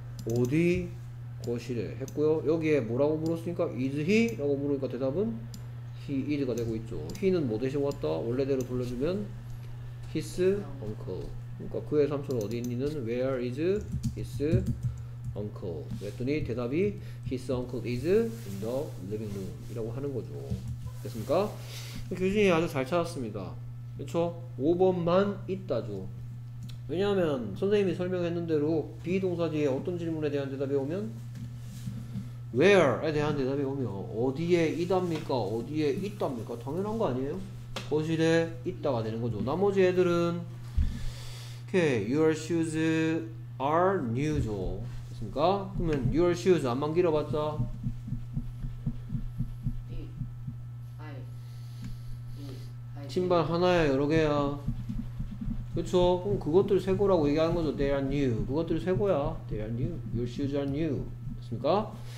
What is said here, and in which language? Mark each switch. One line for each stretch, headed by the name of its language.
Korean: 어디 거실에 했고요. 여기에 뭐라고 물었으니까
English: is he?
Korean: 라고 물으니까 대답은
English: he is
Korean: 가 되고 있죠. he는 뭐 대신 왔다? 원래대로 돌려주면 his uncle. 그러니까 그의 삼촌 어디 있니는
English: where is his uncle.
Korean: 그랬더니 대답이
English: his uncle is in the living room
Korean: 이라고 하는 거죠. 됐습니까? 규진이 아주 잘 찾았습니다. 그렇죠? 5번만 있다죠. 왜냐하면 선생님이 설명했는 대로 비동사 뒤에 어떤 질문에 대한 대답이 오면 where에 대한 대답이 오면 어디에 있답니까? 어디에 있답니까? 당연한 거 아니에요? 거실에 있다가 되는 거죠. 나머지 애들은
English: okay, your shoes are new죠.
Korean: 됐습니까? 그러면
English: your shoes
Korean: 안만 길어봤자 신발 하나야 여러 개야? 그렇죠. 그럼 그것들 새 거라고 얘기하는 거죠.
English: They are new.
Korean: 그것들 새 거야.
English: They are new. Your shoes are new.
Korean: 됐습니까?